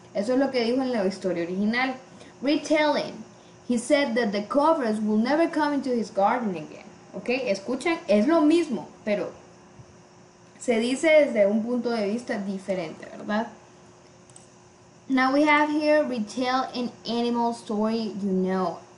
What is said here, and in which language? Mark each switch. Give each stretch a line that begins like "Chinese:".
Spanish: Eso es lo que dijo en la historia original.
English: Retelling. He said that the cobras will never come into his garden again. Okay?
Spanish: Escuchen, es lo mismo, pero se dice desde un punto de vista diferente, ¿verdad?
English: Now we have here retell an animal story, you know.